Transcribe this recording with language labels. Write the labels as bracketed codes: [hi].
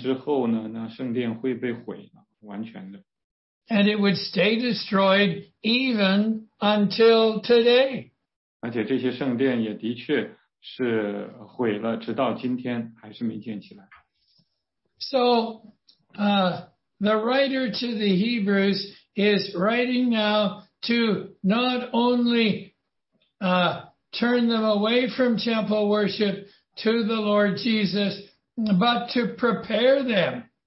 [zh] 而且他们也都知道，要一些年之后呢，那圣殿会被毁了，完全的。 [en] And it would stay destroyed even until today. [zh] 而且这些圣殿也的确 是毁了，直到今天还是没建起来。 [en] So, the writer to the Hebrews is writing now to not only turn them away from temple worship to the Lord Jesus, but to prepare them